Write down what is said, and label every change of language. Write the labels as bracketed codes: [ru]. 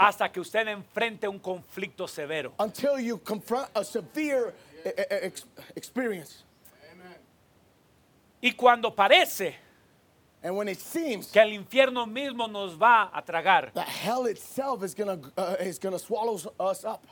[es] Hasta que usted enfrente un conflicto severo. [en] Until you confront a severe experience. [es] Amen. Y cuando parece [en] and when it seems que el infierno mismo nos va a tragar, that hell itself is gonna swallow us up.